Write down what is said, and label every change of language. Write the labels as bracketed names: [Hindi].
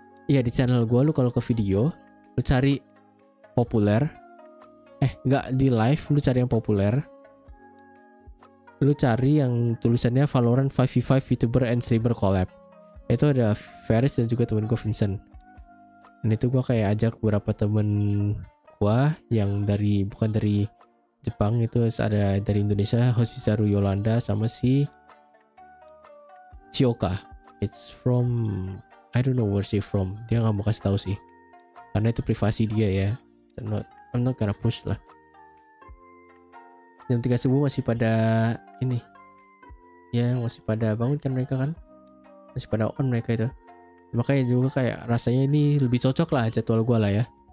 [Indonesian] Iya, di channel gue, lu kalau ke video lu cari populer, enggak, di live lu cari yang populer, lu cari yang tulisannya Valorant 5v5 VTuber and Streamer Collab. Itu ada Faris dan juga temen gue Vincent. Dan itu gue kayak ajak beberapa temen gue yang dari, bukan dari Jepang, itu ada dari Indonesia, Hoshizaru Yolanda sama si Chioka. [English] It's from, I don't know where she from. [Indonesian] Dia gak mau kasih tahu sih, karena itu privasi dia ya. [English] I'm not gonna push [Indonesian] lah. Jam 3 subuh masih pada ini ya, masih pada bangun kan mereka kan, masih pada on mereka itu. Makanya juga kayak rasanya ini lebih cocok lah jadwal gue lah ya.